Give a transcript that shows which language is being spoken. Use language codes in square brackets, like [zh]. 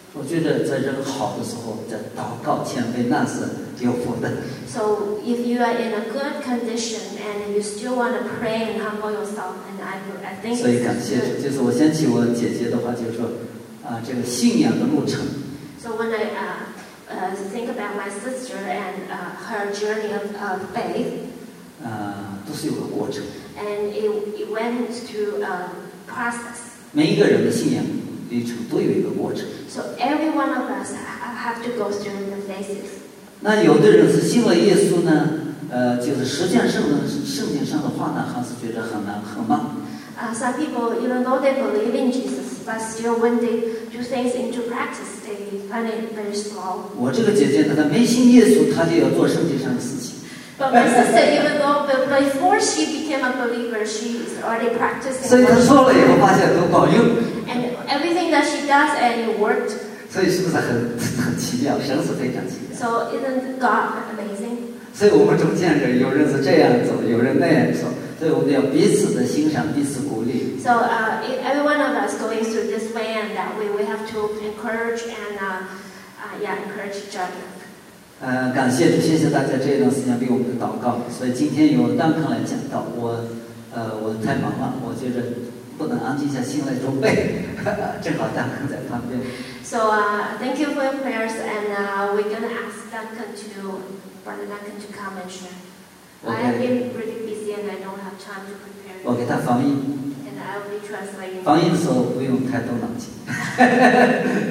[zh] 我觉得在人好的时候，在祷告谦卑，那是有福的。 [en] So if you are in a good condition and you still want to pray and humble yourself, and I think. [zh] 所以感谢主，就是我想起我姐姐的话，就是说，这个信仰的路程。 [en] So when I think about my sister and her journey of faith. [zh] 都是有个过程。 [en] And it went through a process. [zh] 每一个人的信仰。历程都有一个过程。 [en] So every one of us have to go through the phases. [zh] 那有的人是信了耶稣呢，就是实践圣经上的话呢，还是觉得很难很慢。 [en] Some people even though they believe in Jesus, but still when they do things into practice, they find it very slow. [zh] 我这个姐姐呢，她没信耶稣，她就要做圣经上的事情。 [en] But my sister, even though before she became a believer, she already practiced. [zh] 所以她做了以后发现都保佑。 [en] And everything that she does, and it worked. [zh] 所以是不是很奇妙？神是非常奇妙。 [en] So isn't God amazing? [zh] 所以我们中间人有人是这样走，有人那样走，所以我们要彼此的欣赏，彼此鼓励。 [en] So every one of us going through this way, and that we have to encourage and encourage each other. [zh] 感谢主，谢谢大家这一段时间为我们的祷告。所以今天由丹克来讲道，我太忙了，我觉得不能安静下心来准备，正好丹克在旁边。 [en] So thank you for your prayers, and we're gonna ask Duncan to Brother Duncan to come and share. Okay. I have been really busy and I don't have time to prepare. [zh] 我给他翻译。 [en] And I'll be translating. [zh] 翻译的时候不用太动脑筋。